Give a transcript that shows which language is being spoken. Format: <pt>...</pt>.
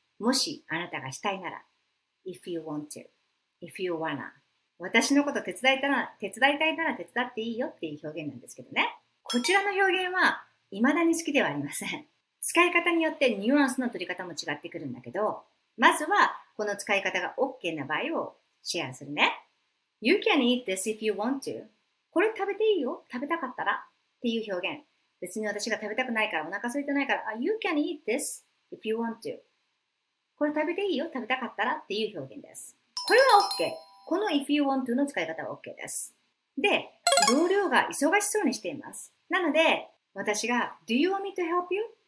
<ja>もしあなたがしたいなら、</ja> <en>If you want to, If you wanna</en> <ja>私のこと手伝いたいなら手伝っていいよっていう表現なんですけどね。こちらの表現は未だに好きではありません。使い方によってニュアンスの取り方も違ってくるんだけど、まずはこの使い方が OK な場合をシェアするね。</ja> <en>You can eat this if you want to.</en> <ja>これ食べていいよ。食べたかったらっていう表現。別に私が食べたくないから、お腹空いてないから、</ja> <en>You can eat this if you want to.</en> <ja>これ食べていいよ。食べたかったらっていう表現です。これは OK。この</ja> <en>if you want to</en> <ja>の使い方は OK です。で、同僚が忙しそうにしています。なので、私が</ja> <en>Do you want me to help you?</en>